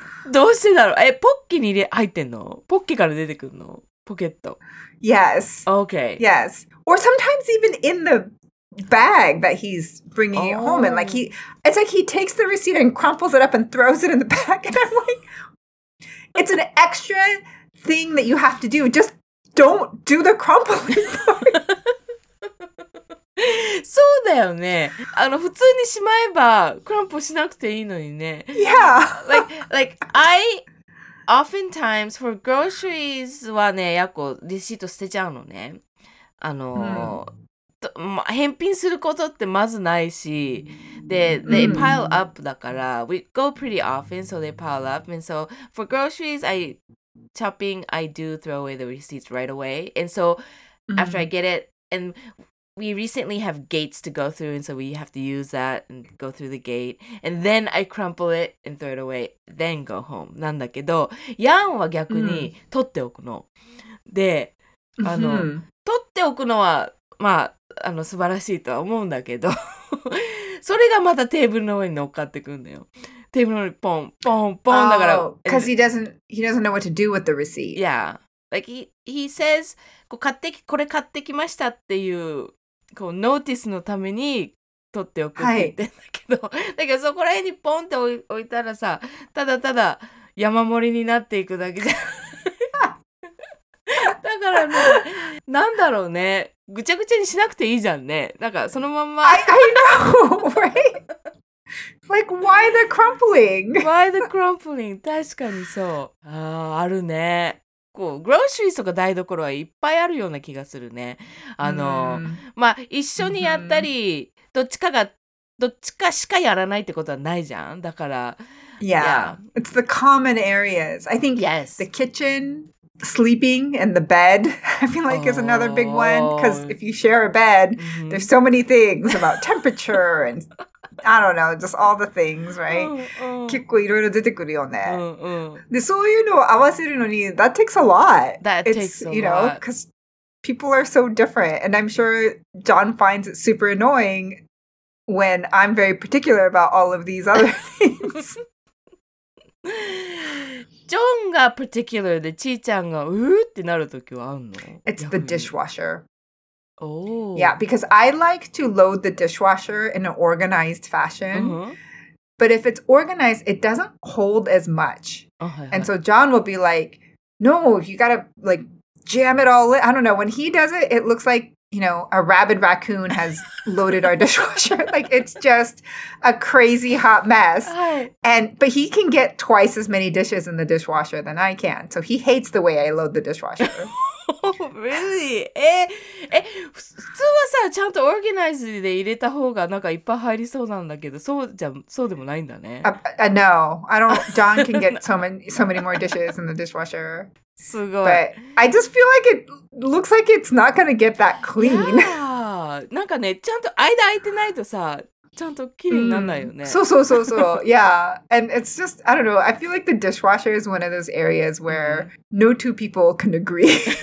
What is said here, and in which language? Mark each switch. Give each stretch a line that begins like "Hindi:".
Japanese: どうしてだろう？え、ポッキーに入ってんの？ポッキーから出てくるの？ポケット。
English: Yes. Okay. Yes. Or sometimes even in the bag that he's bringing it home. And like it's like he takes the receipt and crumples it up and throws it in the bag. And I'm like, it's an extra thing that you have to do. Just don't do the crumpling part.
Japanese: そうだよね。あの、普通にしまえばクランプしなくていいのにね。
English: Yeah. like I oftentimes for groceries
Japanese: はね、やっこレシート捨てちゃうのね。あの、返品することってまずないし、で、
English: they pile up
Japanese: だから、
English: we go pretty often, so they pile up. And so for groceries, I do throw away the receipts right away. And so after I get it andWe recently have gates to go through, and so we have to use that and go through the gate. And then I crumple it and throw it away, then go home.
Japanese: なんだけど、ヤンは逆に取っておくの。で、あの、取っておくのは、まあ、あの、素晴らしいとは思うんだけど、それがまたテーブルの上に乗っかってくるんだよ。テーブルの上にポン、ポン、ポンだから。
English: Because he doesn't know what to do with the receipt. Yeah. Like, he says,
Japanese: こう買ってき、これ買ってきましたっていう、こう、ノーティスのために取っておくって言ってんだけど、はい、だけどそこら辺にポンって置いたらさ、ただただ山盛りになっていくだけじゃん。だからね、なんだろうね、ぐちゃぐちゃにしなくていいじゃんね。なんかそのまま。
English: I know, right? Like, why the crumpling? Why the crumpling?
Japanese: 確かにそう。ああ、あるね。こうグロシリーとか台所はいっぱいあるような気がするね。あの、まあ一緒にやったり、どっちかしかやらないってことはないじゃん。だから、
English: Yeah, it's the common areas. I think、 yes. the kitchen, sleeping, and the bed. I feel like is another big one because if you share a bed,、mm-hmm. there's so many things about temperature and I don't know, just all the things, right?
Japanese: 結構いろいろ出てくるよね。で、そういうのを合わせるのに、
English: that takes a lot. That takes a lot. You know, because people are so different. And I'm sure John finds it super annoying when I'm very particular about all of these other things.
Japanese: ジョンが particular で、ちーちゃんがうーってなるときはあるの?
English: It's the dishwasher. Oh. Yeah, because I like to load the dishwasher in an organized fashion. Uh-huh. But if it's organized, it doesn't hold as much. And so John will be like, no, you gotta like jam it all in. I don't know. When he does it, it looks like, you know, a rabid raccoon has loaded our dishwasher. Like it's just a crazy hot mess. But he can get twice as many dishes in the dishwasher than I can. So he hates the way I load the dishwasher. really?
Japanese: え、普通はさ、ちゃんとオーガナイズで入れた方がなんかいっぱい入りそうなんだけど、そうじゃ、そうでもないんだね。
English: No, I don't. John can get so many more dishes in the dishwasher.
Japanese: すごい。
English: But I just feel like it looks like it's not gonna get that clean. Yeah.
Japanese: なんかね、ちゃんと間空いてないとさ、ちゃんときれいにならないよね。そうそうそうそう。
English: Yeah. And it's just, I don't know. I feel like the dishwasher is one of those areas where no two people can agree.